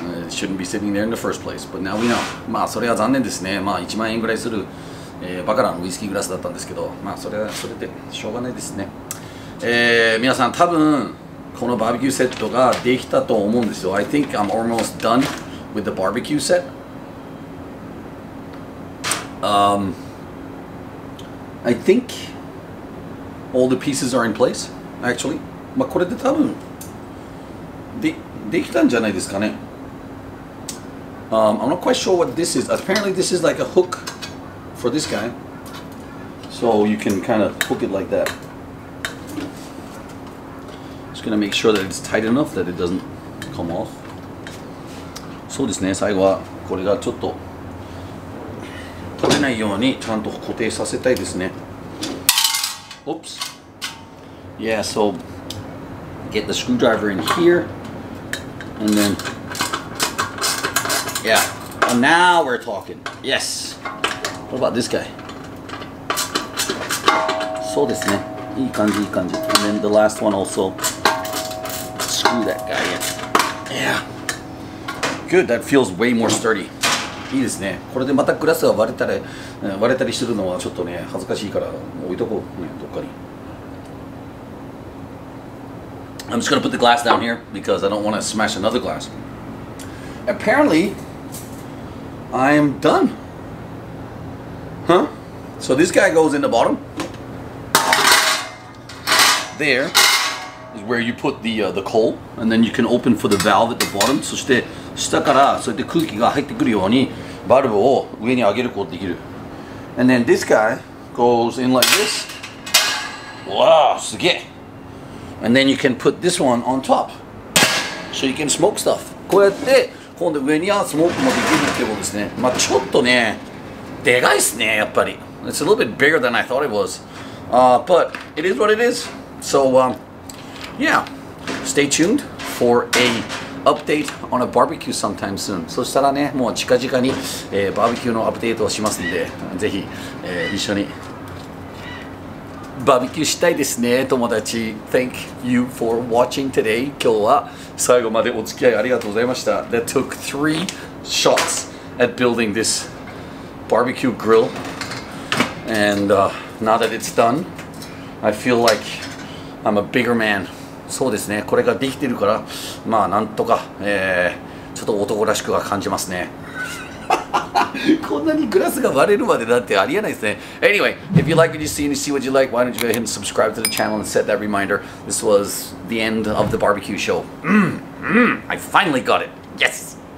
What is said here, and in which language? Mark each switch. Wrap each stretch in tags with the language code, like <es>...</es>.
<en>Shouldn't be sitting there in the first place, but now we know.</en> <ja>まあそれは残念ですね。まあ1万円ぐらいする、バカラのウイスキーグラスだったんですけど、まあそれでしょうがないですね。皆さん多分このバーベキューセットができたと思うんですよ。</ja> <en>I think I'm almost done with the barbecue set. I think all the pieces are in place, actually.</en> <ja>まあこれで多分できたんじゃないですかね。</ja> <en>I'm not quite sure what this is. Apparently this is like a hook for this guy. So you can kind of hook it like that. Just gonna make sure that it's tight enough that it doesn't come off.</en> <ja>そうですね、最後はこれがちょっと取れないようにちゃんと固定させたいですね。</ja> <en>Oops. Yeah, so get the screwdriver in here and then... Yeah, well, now we're talking. Yes. What about this guy?</en> <ja>そうですね。いい感じ、いい感じ。</ja> <en>And then the last one also. Screw that guy in. Yeah. Good, that feels way more sturdy.</en> <ja>いいですね。これでまたグラスが割れたりするのはちょっとね、恥ずかしいから置いとこうね、どっかに。</ja> <en>I'm just gonna put the glass down here because I don't want to smash another glass. Apparently,I am done. Huh? So this guy goes in the bottom. There is where you put the coal, and then you can open for the valve at the bottom.</en> <ja>そして下からそうやって空気が入ってくるようにバルブを上に上げることができる。</ja> <en>And then this guy goes in like this. Wow,</en> <ja>すげえ。</ja> <en>And then you can put this one on top. So you can smoke stuff.</en> <ja>こうやって今度上にはスモークもできるってことですね。まあちょっとね、でかいっすね、やっぱり。</ja> <en>It's a little bit bigger than I thought it was. But it is what it is. So, yeah. Stay tuned for a update on a barbecue sometime soon.</en> <ja>そしたらね、もう近々に、バーベキューのアップデートをしますんで、ぜひ、一緒にバーベキューしたいですね、友達。</ja> <en>Thank you for watching today.</en> <ja>今日は最後までお付き合いありがとうございました。</ja> <en>That took three shots at building this barbecue grill. And now that it's done, I feel like I'm a bigger man.</en> <ja>そうですね、これができてるから、まあなんとか、ちょっと男らしくは感じますね。こんなにグラスが割れるまでなんてありえないですね。</ja> <en>Anyway, if you like what you see and you see what you like, why don't you go ahead and subscribe to the channel and set that reminder. This was the end of the barbecue show. I finally got it. Yes!</en>